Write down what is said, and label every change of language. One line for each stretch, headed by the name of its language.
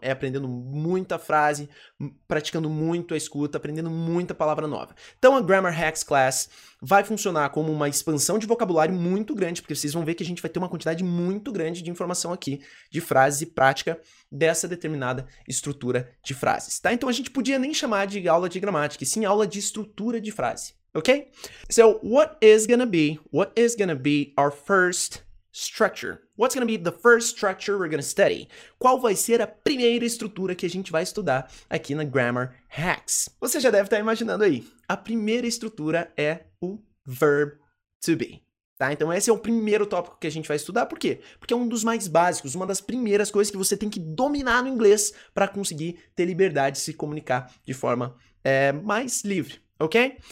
Portuguese: É aprendendo muita frase, praticando muito a escuta, aprendendo muita palavra nova. Então, a Grammar Hacks Class vai funcionar como uma expansão de vocabulário muito grande, porque vocês vão ver que a gente vai ter uma quantidade muito grande de informação aqui, de frases e prática dessa determinada estrutura de frases. Tá? Então, a gente podia nem chamar de aula de gramática, e sim aula de estrutura de frase.
English: Okay, so what is gonna be our first structure? What's gonna be the first structure we're gonna study?
Portuguese: Qual vai ser a primeira estrutura que a gente vai estudar aqui na Grammar Hacks? Você já deve estar imaginando aí. A primeira estrutura é o verb to be. Tá? Então esse é o primeiro tópico que a gente vai estudar. Por quê? Porque é um dos mais básicos, uma das primeiras coisas que você tem que dominar no inglês para conseguir ter liberdade de se comunicar de forma mais livre. Ok?